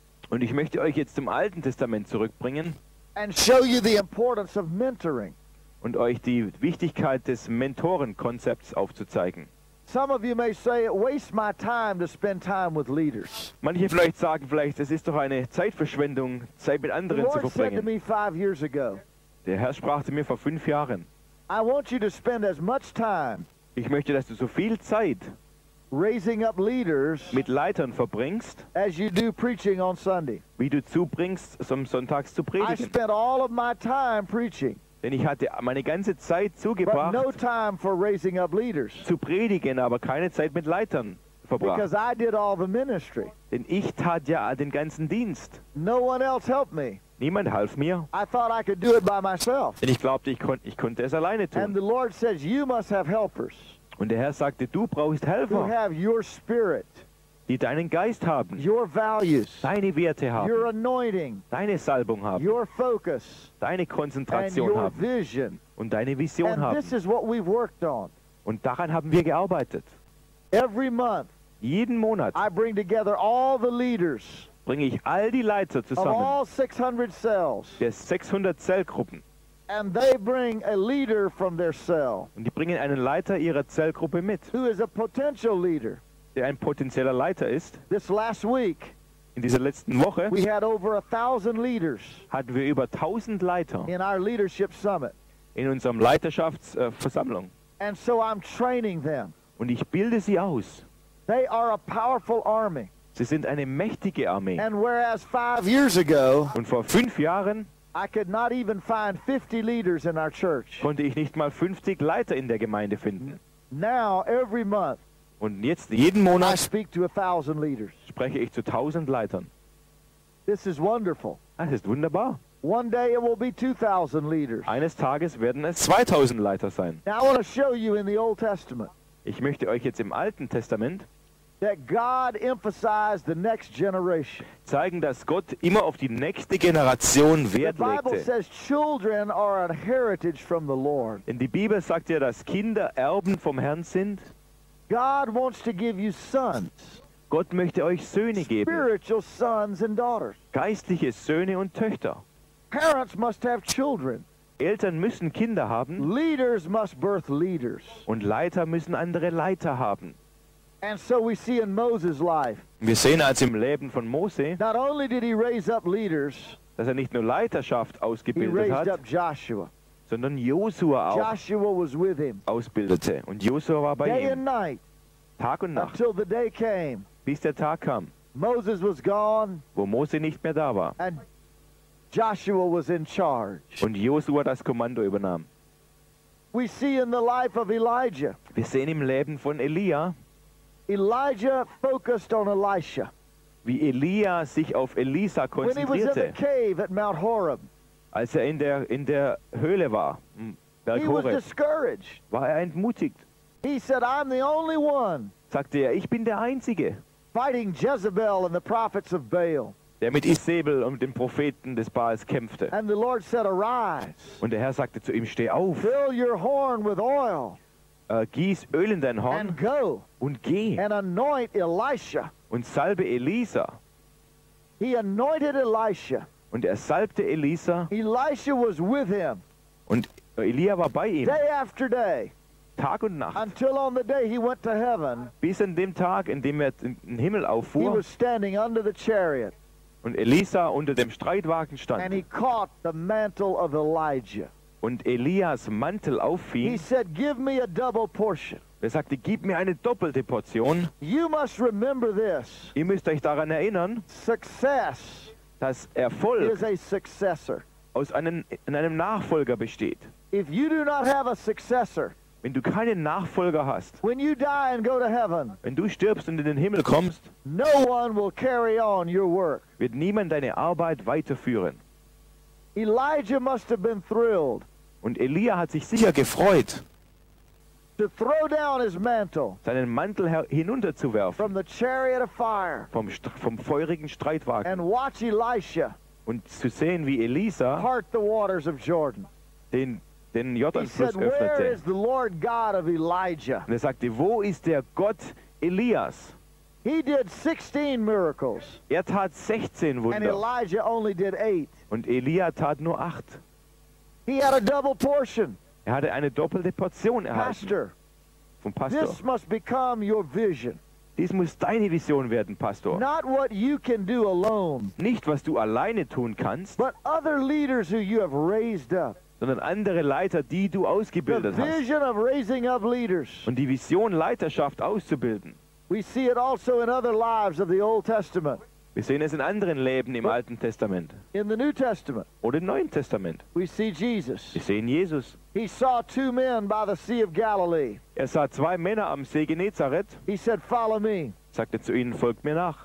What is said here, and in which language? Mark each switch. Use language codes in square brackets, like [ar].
[de] Und ich möchte euch jetzt zum Alten Testament zurückbringen [en] and show you the importance of mentoring. [de] Und euch die Wichtigkeit des Mentorenkonzepts aufzuzeigen. Manche vielleicht sagen vielleicht, es ist doch eine Zeitverschwendung, Zeit mit anderen zu verbringen. [en] Said to me 5 years ago, [de] der Herr sprach zu mir vor 5 Jahren. [en] I want you to spend as much time, [de] ich möchte, dass du so viel Zeit [en] raising up leaders, [de] mit Leitern verbringst, [en] as you do preaching on Sunday, [de] wie du zubringst, um sonntags zu predigen. [en] I spent all of my time preaching, [de] denn ich hatte meine ganze Zeit zugebracht, [en] but no time for raising up leaders, [de] zu predigen, aber keine Zeit mit Leitern verbracht. [en] Because I did all the ministry, [de] denn ich tat ja den ganzen Dienst. [en] No one else helped me. [de] Niemand half mir. [en] I thought I could do it by myself. [de] Denn ich glaubte, ich konnte es alleine tun. [en] And the Lord says, you must have helpers. [de] Und der Herr sagte, du brauchst Helfer. [en] Who have your spirit, [de] die deinen Geist haben. [en] Your values, [de] deine Werte haben. [en] Your anointing, [de] deine Salbung haben. [en] Your focus, [de] deine Konzentration [en] and your [de] haben. [en] Vision, [de] und deine Vision [en] and [de] haben. [en] This is what we've worked on. [de] Und daran haben wir gearbeitet. [en] Every month, [de] jeden Monat, [en] I bring together all the leaders, [de] bringe ich all die Leiter zusammen, [en] all 600 cells, [de] der 600 Zellgruppen. [en] And they bring a leader from their cell, [de] und die bringen einen Leiter ihrer Zellgruppe mit, [en] who is a potential leader, [de] der ein potenzieller Leiter ist. [en] This last week, [de] in dieser letzten Woche, [en] we had over 1,000 leaders, [de] hatten wir über 1,000 Leiter [en] in our leadership summit, [de] in unserem Leiterschaftsversammlung. [en] And so I'm training them, [de] und ich bilde sie aus. [en] They are a powerful army. [de] Sie sind eine mächtige Armee. [en] And whereas 5 years ago, [de] und vor 5 Jahren, [en] I could not even find 50 leaders in our church, [de] konnte ich nicht mal 50 Leiter in der Gemeinde finden. [en] Now every month, [de] und jetzt jeden Monat, [en] I speak to 1,000 leaders, [de] spreche ich zu 1,000 Leitern. [en] This is wonderful. [de] Das ist wunderbar. [en] One day it will be 2,000 leaders. [de] Eines Tages werden es 2,000 Leiter sein. [en] Now I want to show you in the Old Testament, [de] ich möchte euch jetzt im Alten Testament [en] that God emphasized the next generation, [de] zeigen, dass Gott immer auf die nächste Generation Wert legte. [en] The Bible says children are an heritage from the Lord. [de] Denn die Bibel sagt ja, dass Kinder Erben vom Herrn sind. [en] God wants to give you sons, [de] Gott möchte euch Söhne geben. [en] Spiritual sons and daughters, [de] geistliche Söhne und Töchter. [en] Parents must have children, [de] Eltern müssen Kinder haben. [en] Leaders must birth leaders, [de] und Leiter müssen andere Leiter haben. [en] And so we see in Moses' life, [de] wir sehen als im Leben von Mose, [en] not only did he raise up leaders, [de] dass er nicht nur Leiterschaft ausgebildet [en] he raised up Joshua, [de] sondern Joshua auch, [en] Joshua was with him, [de] ausbildete, und Joshua war bei [en] day [de] ihm [en] and night, [de] Tag und Nacht, [en] until the day came, [de] bis der Tag kam, [en] Moses was gone, [de] wo Mose nicht mehr da war, [en] and Joshua was in charge, [de] und Joshua das Kommando übernahm. [en] We see in the life of Elijah, [de] wir sehen im Leben von Elia, [en] Elijah focused on Elisha. [de] Wie Elia sich auf Elisa konzentrierte. [en] When he was in the cave at Mount Horeb, [de] als er in der Höhle war, Berg [en] he [de] Horeb, [en] was discouraged. [de] War er entmutigt. [en] He said, "I'm the only one," [de] sagte er, ich bin der Einzige, [en] fighting Jezebel and the prophets of Baal, [de] der mit Isabel und den Propheten des Baals kämpfte. [en] And the Lord said, "Arise." [de] Und der Herr sagte zu ihm, steh auf. [en] Fill your horn with oil. [de] Gieß Öl in dein Horn [en] and go [de] und geh [en] and anoint Elisha. [de] Und salbe Elisa. [en] He anointed Elisha. [de] Und er salbte Elisa. [en] Elisha was with him. [de] Und Elia war bei ihm. [en] Day after day. [de] Tag und Nacht. [en] Until on the day he went to heaven, [de] bis an dem Tag, in dem er in den Himmel auffuhr, [en] he was standing under the chariot, [de] und Elisa unter dem Streitwagen stand. [en] And he caught the mantle of Elijah. [de] Und Elias Mantel auffing. [en] He said, "Give me a double portion." [de] Er sagte, gib mir eine doppelte Portion. [en] You must remember this. [de] Ihr müsst euch daran erinnern, [en] success, [de] dass Erfolg [en] is a successor. [de] Aus einem Nachfolger besteht. [en] If you do not have a successor, [de] wenn du keinen Nachfolger hast, [en] when you die and go to heaven, [de] wenn du stirbst und in den Himmel kommst, [en] no one will carry on your work. [de] Wird niemand deine Arbeit weiterführen. [en] Elijah must have been thrilled. [de] Und Elia hat sich sicher gefreut, [en] to throw down his mantle, [de] seinen Mantel hinunterzuwerfen, [en] from the chariot of fire, [de] vom feurigen Streitwagen, [en] and watch Elisha, [de] und zu sehen, wie Elisa [en] part the waters of Jordan, [de] den Jordanfluss öffnete. [en] He said, "Where is the Lord God of Elijah?" [de] Und er sagte, wo ist der Gott Elias? [en] He did 16 miracles. [de] Er tat 16 Wunder. [en] And Elijah only did 8. [de] Und Elia tat nur 8. [en] He had a double portion. [de] Er hatte eine doppelte Portion erhalten. [en] Pastor, [de] vom Pastor. [en] This must become your vision. [de] Dies muss deine Vision werden, Pastor. [en] Not what you can do alone. [de] Nicht was du alleine tun kannst. [en] But other leaders who you have raised up. [de] Sondern andere Leiter, die du ausgebildet hast. [en] The vision of raising up leaders. [de] Und die Vision, Leiterschaft auszubilden. [en] We see it also in other lives of the Old Testament. [de] Wir sehen es in anderen Leben im Alten Testament. [en] In the New Testament. [de] Oder im Neuen Testament. [en] We see Jesus. [de] Wir sehen Jesus. [en] He saw two men by the Sea of Galilee. [de] Er sah zwei Männer am See Genezareth. [en] He said, "Follow me." [de] Sagte zu ihnen, folgt mir nach.